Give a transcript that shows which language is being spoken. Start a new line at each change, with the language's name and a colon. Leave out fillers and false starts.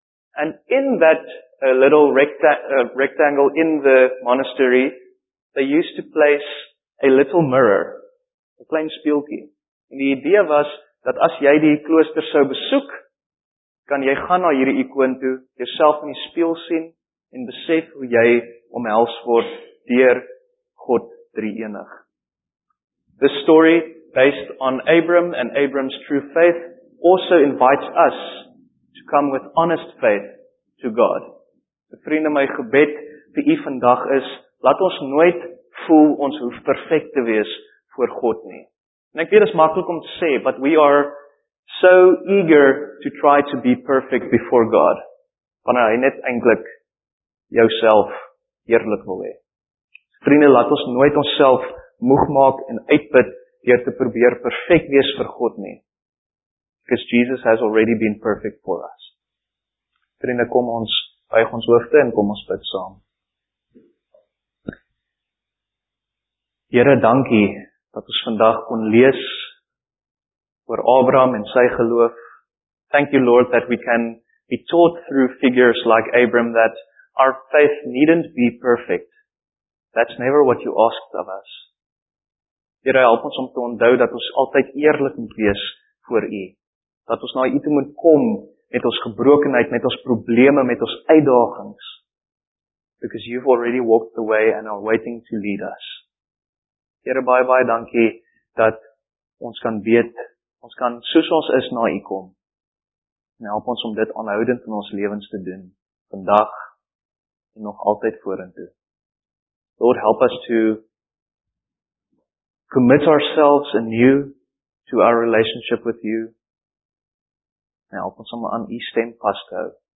English: And in that little rectangle in the monastery, they used to place a little mirror, a
Afrikaans: klein spieeltjie. En die idee was dat as jy die klooster sou besoek, kan jy gaan na hierdie ikoon toe, jouself in die spieël sien en besef hoe jy omhels word deur God drie-enig.
English: This story, based on Abram and Abram's true faith, also invites us to come with honest faith to God.
Afrikaans: Vriende, my gebed vir u vandag is, laat ons nooit voel ons hoef perfek te wees voor God nie. En ek weet dit is maklik om te sê,
English: but we are so eager to try to be perfect before God,
Afrikaans: wanneer hy net eintlik jouself eerlik wil hê. Vriende, laat ons nooit onsself moeg maak en uitput deur te probeer perfek wees vir God nie.
English: Because Jesus has already been perfect for us.
Afrikaans: Vriende, kom ons buig ons hoofde en kom ons bid saam. Here, dankie dat ons vandag kon lees oor Abraham en sy geloof.
English: Thank you, Lord, that we can be taught through figures like Abraham that our faith needn't be perfect, That's never what you asked of us.
Afrikaans: Here, help ons om te onthou dat ons altyd eerlik moet wees voor U. Dat ons na U toe moet kom met ons gebrokenheid, met ons probleme, met ons uitdagings.
English: Because You've already walked the way and are waiting to lead us.
Afrikaans: Here, baie, baie dankie dat ons kan weet, ons kan soos ons is na U kom. En help ons om dit aanhoudend in ons lewens te doen, vandag en nog altyd vorentoe.
English: Lord, help us to commit ourselves anew to our relationship with You.
Afrikaans: En help ons om aan U stem vas te hou.